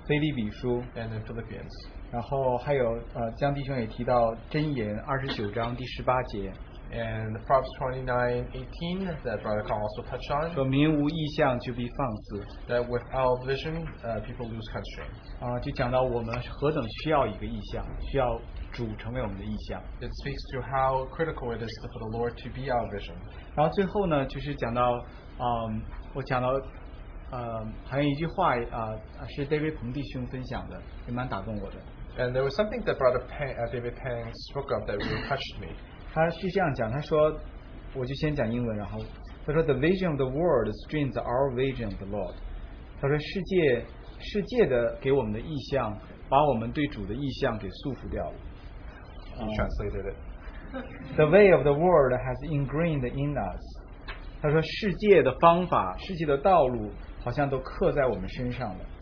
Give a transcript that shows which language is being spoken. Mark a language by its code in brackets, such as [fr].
[zh] 腓立比书。 [en] And in Philippians. [zh] 然后还有江弟兄也提到箴言29:18 [en] and Proverbs 29:18 that Brother Kong also touched on, [zh] 说民无异象就必放肆， [en] that without vision people lose constraint, [zh] 就讲到我们何等需要一个异象，需要主成为我们的异象。 [en] It speaks to how critical it is for the Lord to be our vision. [zh] 然后最后呢，就是讲到我讲到还有一句话是 David 彭弟兄分享的，也蛮打动我的。 [en] And there was something that Brother Pang, David Pang spoke of that really touched me. [zh] 他是这样讲，他说，我就先讲英文，然后他说 ， [en] The vision of the world streams our vision of the Lord. [zh] 他说世界的给我们的意象，把我们对主的意象给束缚掉了。 [en] He translated it. The way of the world has ingrained in us. [zh] 他说世界的方法，世界的道路，好像都刻在我们身上了。